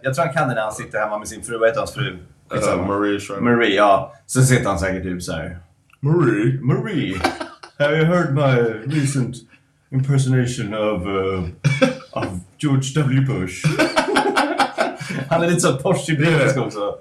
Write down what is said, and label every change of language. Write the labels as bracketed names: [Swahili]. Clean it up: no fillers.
[Swedish] Jag tror han kan det när han sitter hemma med sin fru. Vad heter hans fru? Marie, ja. Så sitter han säkert typ så här. Marie? Marie, [English] have you heard my recent impersonation of of George W. Bush. [Swedish] Han är lite så poshy brittisk också.